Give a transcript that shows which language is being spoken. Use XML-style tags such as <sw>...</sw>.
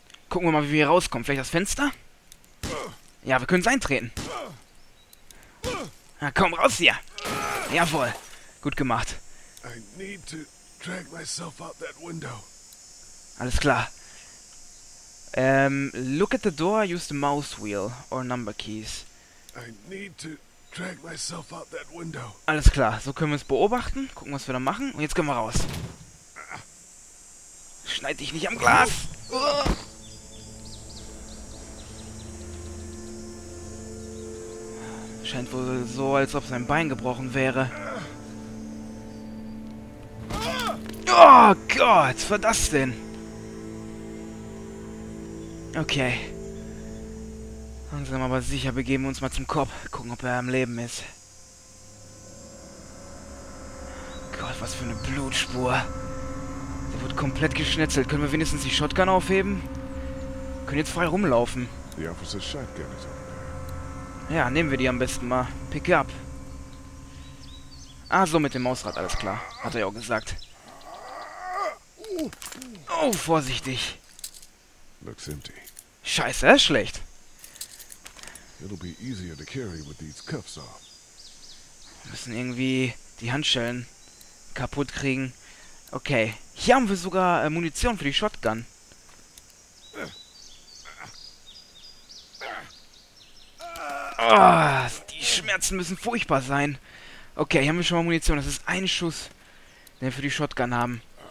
<de>Gucken wir mal, wie wir hier rauskommen. Vielleicht das Fenster? Ja, wir können es eintreten. Na komm, raus hier! Jawohl! Gut gemacht.</de> <en>I need to drag myself out that window.</en> <de>Alles klar.</de> <en>Look at the door, use the mouse wheel or number keys. I need to drag myself out that window.</en> <de>Alles klar, so können wir es beobachten. Gucken, was wir da machen. Und jetzt gehen wir raus. Schneid dich nicht am Glas! Scheint wohl so, als ob sein Bein gebrochen wäre. Oh Gott, was war das denn? Okay. Langsam aber sicher begeben wir uns mal zum Kopf. Gucken, ob er am Leben ist. Gott, was für eine Blutspur. Der wird komplett geschnetzelt. Können wir wenigstens die Shotgun aufheben? Können jetzt frei rumlaufen.</de> <en>The officer's shotgun is over.</en> <de>Ja, nehmen wir die am besten mal.</de> <en>Pick up.</en> <de>Ah, so mit dem Mausrad, alles klar. Hat er ja auch gesagt. Oh, vorsichtig.</de> <en>Looks empty.</en> <de>Scheiße, er ist schlecht.</de> <en>It'll be easier to carry with these cuffs off.</en> <de>Wir müssen irgendwie die Handschellen kaputt kriegen. Okay, hier haben wir sogar Munition für die Shotgun. Oh, die Schmerzen müssen furchtbar sein. Okay, hier haben wir schon mal Munition. Das ist ein Schuss, den wir für die Shotgun haben.</de>